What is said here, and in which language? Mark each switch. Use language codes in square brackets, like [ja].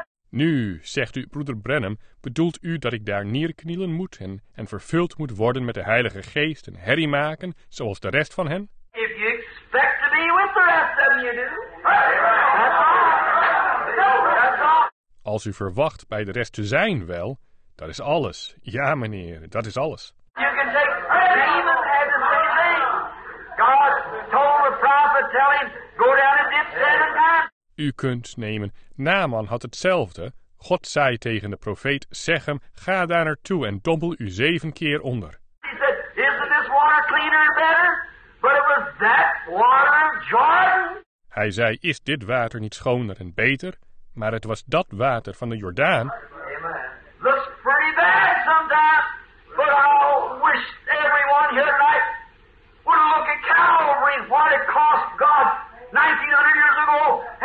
[nl] Nu, zegt u, broeder Branham, bedoelt u dat ik daar neerknielen moet en vervuld moet worden met de Heilige Geest en herrie maken, zoals de rest van hen? [en] If you expect to be with the rest of them, you do. That's all. No, that's all. [nl] Als u verwacht bij de rest te zijn, wel, dat is alles. Ja, meneer, dat is alles. [en] You can say, demons had the same thing. God told the prophet, tell him, go down and dip seven times. [nl] U kunt nemen, Naaman had hetzelfde. God zei tegen de profeet, zeg hem, ga daar naartoe en dobbel u 7 keer onder. [en] He said, isn't this water cleaner and better? But it was that water of Jordan. [nl] Hij zei, is dit water niet schoner en beter? Maar het was dat water van de Jordaan. [en] Amen. Looks pretty bad sometimes, but I wish everyone here tonight would look at Calvary, what it cost God 1900 years ago.